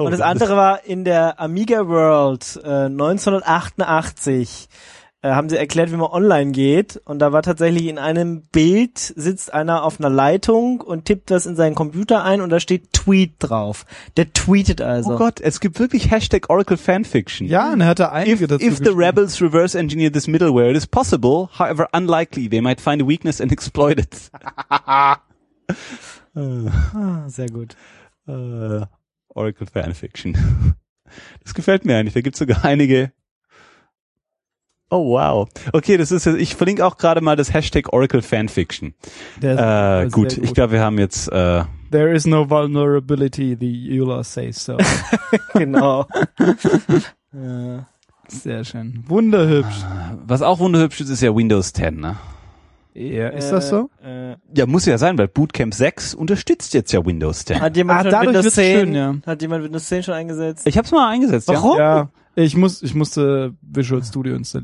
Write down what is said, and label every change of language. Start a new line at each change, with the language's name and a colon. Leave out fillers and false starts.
German: Und das andere war in der Amiga World 1988. Haben sie erklärt, wie man online geht und da war tatsächlich in einem Bild sitzt einer auf einer Leitung und tippt was in seinen Computer ein und da steht Tweet drauf. Der tweetet also. Oh Gott, es gibt wirklich Hashtag Oracle Fanfiction. Ja, und er hat da einige dazu geschrieben.
English: If the rebels reverse engineer this middleware, it is possible, however unlikely, they might find a weakness and exploit it.
German: Sehr gut. Oracle Fanfiction. Das gefällt mir eigentlich, da gibt es sogar einige. Oh wow. Okay, ich verlinke auch gerade mal das Hashtag Oracle Fanfiction. Gut, ich glaube, wir haben jetzt
English: There is no vulnerability, the EULA says so.
German: Genau. Sehr schön. Wunderhübsch. Was auch wunderhübsch ist ja Windows 10, ne? Ja, ist das so? Ja, muss ja sein, weil Bootcamp 6 unterstützt jetzt ja Windows 10. Hat jemand Windows 10 schön, ja. Hat jemand Windows 10 schon eingesetzt? Ich hab's mal eingesetzt, warum? Ja. Ich musste Visual Studio installieren.